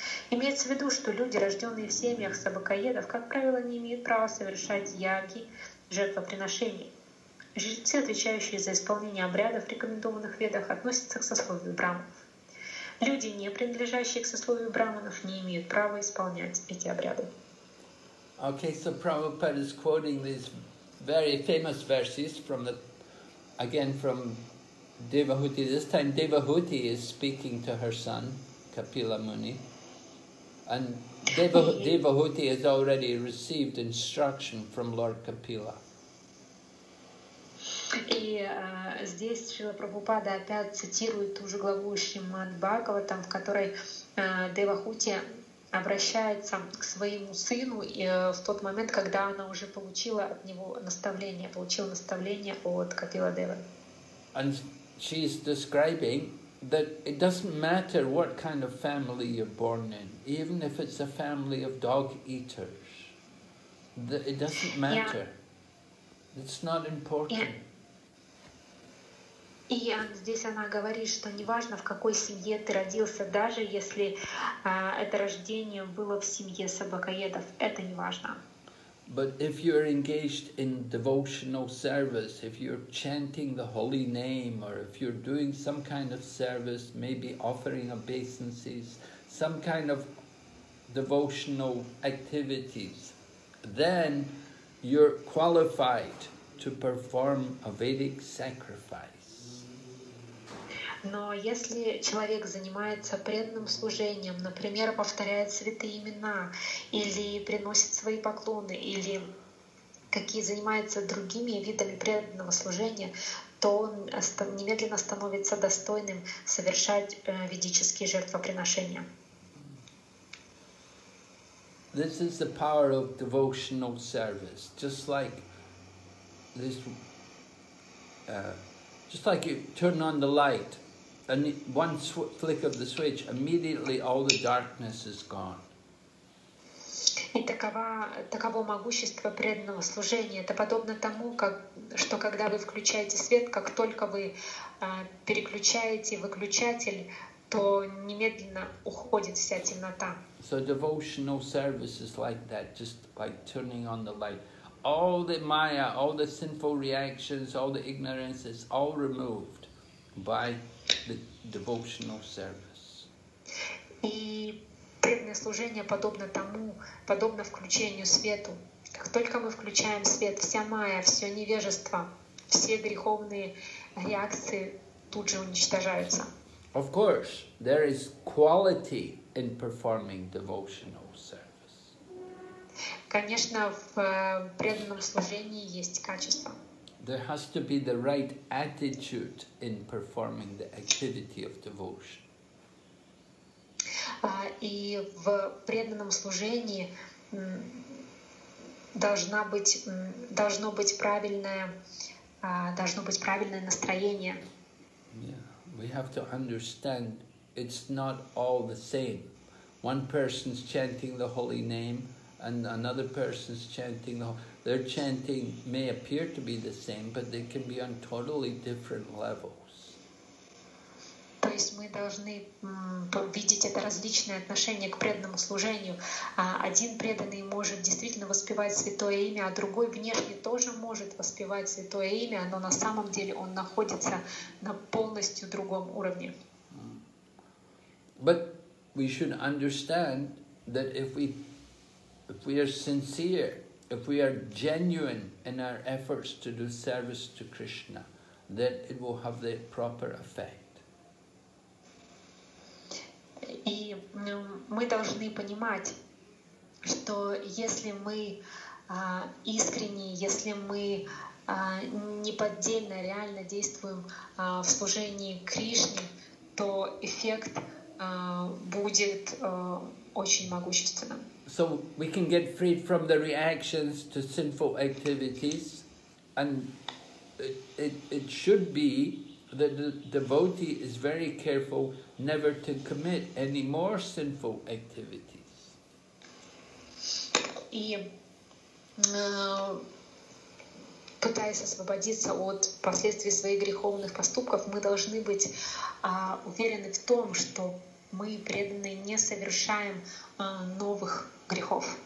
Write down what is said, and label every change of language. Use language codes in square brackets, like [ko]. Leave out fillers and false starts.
[ru] Имеется в виду, что люди, рожденные в семьях собакоедов, как правило, не имеют права совершать яги, жертвоприношения. Жрецы, отвечающие за исполнение обрядов, рекомендованных в ведах, относятся к сословию брахманов. Люди, не принадлежащие к сословию брахманов, не имеют права исполнять эти обряды. [en] Okay, so Prabhupada is quoting these very famous verses from the, again from Devahuti. This time Devahuti is speaking to her son, Kapila Muni. And Devahuti has already received instruction from Lord Kapila. [ru] И здесь Шрила Прабхупада опять цитирует ту же главу Шримад Бхагаватам, в которой Девахути обращается к своему сыну в тот момент, когда она уже получила от него наставление, получила наставление от Капиладевы. [en] And she is describing that it doesn't matter what kind of family you're born in, even if it's a family of dog eaters, it doesn't matter. Yeah. It's not important. Yeah. [ru] И здесь она говорит, что неважно, в какой семье ты родился, даже если это рождение было в семье собакоедов, это неважно. [en] But if you're engaged in devotional service, if you're chanting the holy name, or if you're doing some kind of service, maybe offering obeisances, some kind of devotional activities, then you're qualified to perform a Vedic sacrifice. [ru] Но если человек занимается преданным служением, например, повторяет святые имена, или приносит свои поклоны, или какие занимается другими видами преданного служения, то он немедленно становится достойным совершать ведические жертвоприношения. [en] This is the power of devotional service, just like this, just like you turn on the light. And one flick of the switch, immediately all the darkness is gone. [ru] И таково могущество преданного служения. Это подобно тому, как, что когда вы включаете свет, как только вы переключаете выключатель, то немедленно уходит вся темнота. [en] So devotional service is like that, just like turning on the light. All the maya, all the sinful reactions, all the ignorance is all removed by the devotional service. [ru] И преданное служение подобно тому, подобно включению свету. Как только мы включаем свет, вся майя, все невежество, все греховные реакции тут же уничтожаются. [en] Of course, there is quality in performing devotional service. [ru] Конечно, в преданном служении есть качество. [en] There has to be the right attitude in performing the activity of devotion. [ru] И в преданном служении должно быть правильное настроение. [en] Yeah. We have to understand it's not all the same. One person's chanting the holy name and another person's chanting the holy. Their chanting may appear to be the same, but they can be on totally different levels. [ru] То есть мы должны видеть это различное отношение к преданному служению. Один преданный может действительно воспевать святое имя, а другой внешне тоже может воспевать святое имя, но на самом деле он находится на полностью другом уровне. [en] But we should understand that if we are sincere, if we are genuine in our efforts to do service to Krishna, then it will have the proper effect. [ru] И мы должны понимать, что если мы искренне, если мы неподдельно, реально действуем в служении Кришне, то эффект будет очень могущественным. [en] So we can get freed from the reactions to sinful activities, and it should be that the devotee is very careful never to commit any more sinful activities. [ru] И пытаясь освободиться от последствий своих греховных поступков, мы должны быть уверены в том, что мы, преданные, не совершаем новых грехов.